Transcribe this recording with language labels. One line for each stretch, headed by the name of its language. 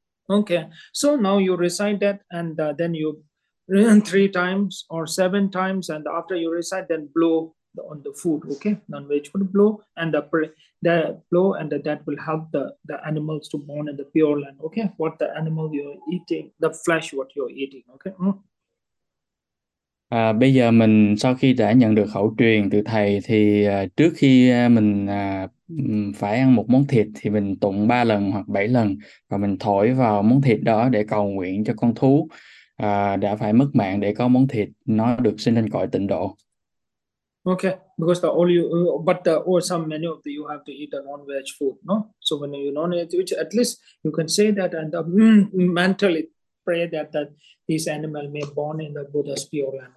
English: Okay, so now you recite that and then you three times or seven times and after you recite then blow on the food, okay, non-veg food blow and the blow and that will help the animals to born in the pure land, okay, what the animal you're eating, the flesh what you're eating, okay.
Vietnamese: Bây giờ mình sau khi đã nhận được khẩu truyền từ thầy thì trước khi mình phải ăn một món thịt thì mình tụng 3 lần hoặc 7 lần và mình thổi vào món thịt đó để cầu nguyện cho con thú đã phải mất mạng để có món thịt nó được sinh lên cõi tịnh độ.
English: Okay, because the all you but the or some many of the you have to eat a non veg food, no? So when you non veg, which at least you can say that and mentally pray that this animal may born in the Buddha's pure land.